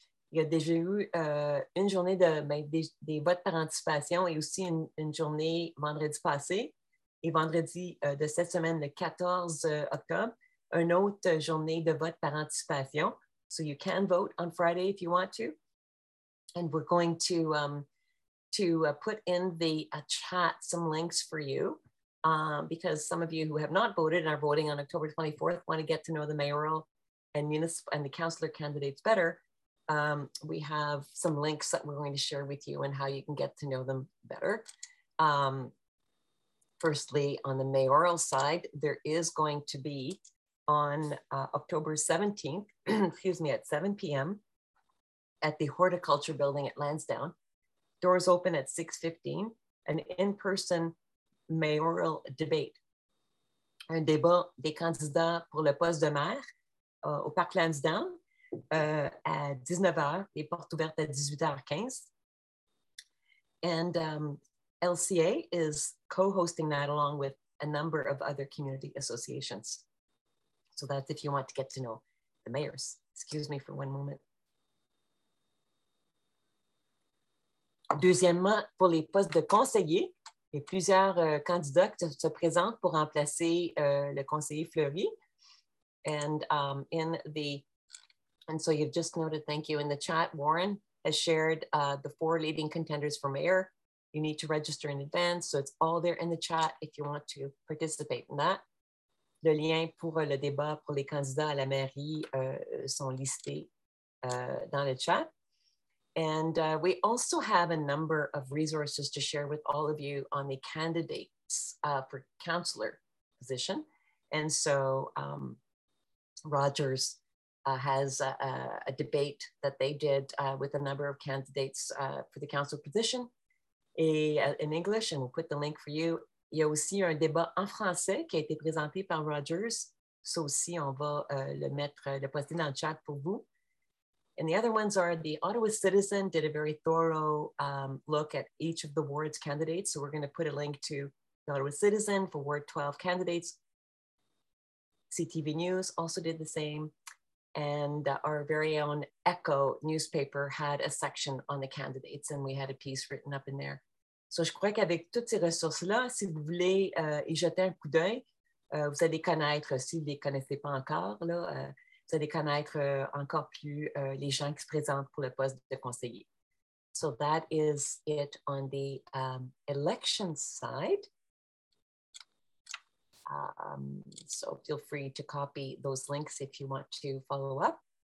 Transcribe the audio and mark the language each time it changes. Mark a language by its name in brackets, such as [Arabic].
[French] Il y a déjà eu une journée de des votes par anticipation et aussi une journée vendredi passé et vendredi de cette semaine, le 14 octobre. Une autre journée de vote par anticipation. [English] So you can vote on Friday if you want to. And we're going to put in the chat some links for you because some of you who have not voted and are voting on October 24th want to get to know the mayoral and municipal and the councillor candidates better. We have some links that we're going to share with you and how you can get to know them better. Firstly, on the mayoral side, there is going to be on October 17th, excuse me, at 7 p.m. at the Horticulture Building at Lansdowne. Doors open at 6:15, an in-person mayoral debate. [French] Un débat des candidats pour le poste de maire au Parc Lansdowne à 19h, les portes ouvertes à 18h15. [English] And LCA is co-hosting that along with a number of other community associations. So that's if you want to get to know the mayors. Excuse me for one moment. [French] Deuxièmement, pour les postes de conseiller, il y a plusieurs candidats qui se présentent pour remplacer le conseiller Fleury. [English] And so you've just noted, thank you, in the chat, Warren has shared the four leading contenders for mayor. You need to register in advance. So it's all there in the chat if you want to participate in that. [French] Le lien pour le débat pour les candidats à la mairie sont listés dans le chat. [English] And we also have a number of resources to share with all of you on the candidates for councillor position. And so Rogers has a debate that they did with a number of candidates for the council position in English, and we'll put the link for you. [French] Il y a aussi un débat en français qui a été présenté par Rogers. Ça aussi, on va le mettre, le poster dans le chat pour vous. [English] And the other ones are the Ottawa Citizen did a very thorough look at each of the ward's candidates. So we're going to put a link to the Ottawa Citizen for Ward 12 candidates. CTV News also did the same. And our very own Echo newspaper had a section on the candidates and we had a piece written up in there. [French] So, je crois qu'avec toutes ces ressources-là, si vous voulez y jeter un coup d'œil, vous allez connaître, si vous ne les connaissez pas encore, là, vous allez connaître encore plus les gens qui se présentent pour le poste de conseiller. [English] So, that is it on the election side. So, feel free to copy those links if you want to follow up.